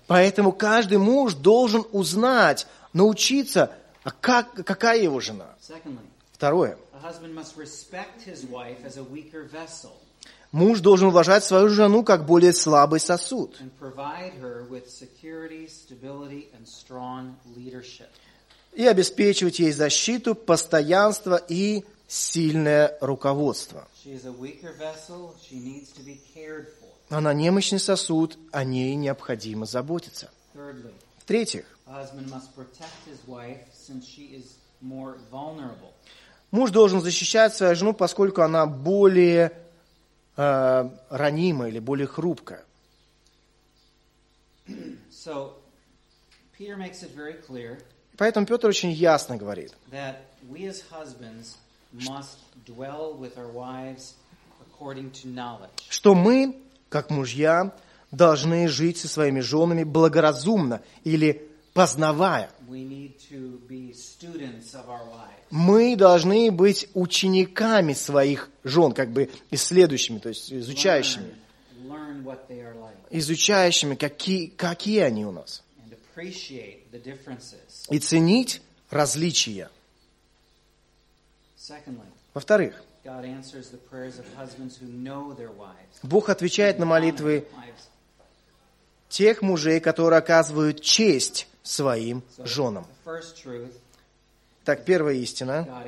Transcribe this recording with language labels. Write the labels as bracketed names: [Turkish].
[Russian] Поэтому каждый муж должен узнать, научиться, а как, какая его жена. [English] Secondly, [Russian] второе. [English] A husband must respect his wife as a weaker vessel. [Russian] Муж должен уважать свою жену как более слабый сосуд. [English] And provide her with security, stability, and strong leadership. [Russian] И обеспечивать ей защиту, постоянство и сильное руководство. [English] She is a weaker vessel, she needs to be cared for. [Russian] Она немощный сосуд, о ней необходимо заботиться. [English] Thirdly, [Russian] в-третьих, [English] a husband must protect his wife, since she is more vulnerable. [Russian] Муж должен защищать свою жену, поскольку она более ранимая или более хрупкая. [English] So, Peter makes it very clear, [Russian] поэтому Петр очень ясно говорит, [English] that we as husbands must dwell with our wives according to knowledge. [Russian] Что мы, как мужья, должны жить со своими женами благоразумно или познавая. [English] We need to be students of our wives. [Russian] Мы должны быть учениками своих жен, как бы исследующими, то есть изучающими. [English] Learn what they are like. [Russian] Изучающими, какие они у нас. [English] And appreciate the differences. [Russian] И ценить различия. [English] Secondly, [Russian] во-вторых, [English] God answers the prayers of husbands who know their wives. [Russian] Бог отвечает на молитвы тех мужей, которые оказывают честь своим женам. Так, первая истина.